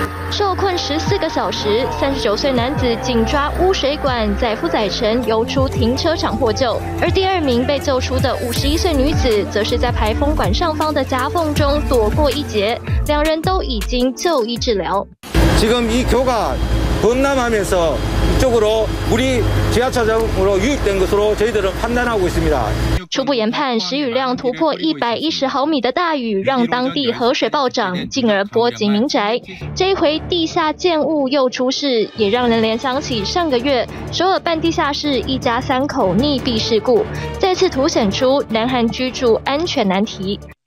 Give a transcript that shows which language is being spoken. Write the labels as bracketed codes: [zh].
[zh] 受困14个小时，39岁男子紧抓污水管，载夫载沉游出停车场获救。而第2名被救出的51岁女子，则是在排风管上方的夹缝中躲过一劫。 2人都已经就医治疗。 [ko] 지금이교가범람하면서이쪽으로물이지하차장으로유입된것으로저희들은판단하고있습니다 [zh] 初步研判，时雨量突破110毫米的大雨，让当地河水暴涨，进而波及民宅。这一回地下建物又出事，也让人联想起上个月首尔半地下室一家3口溺毙事故，再次凸显出南韩居住安全难题。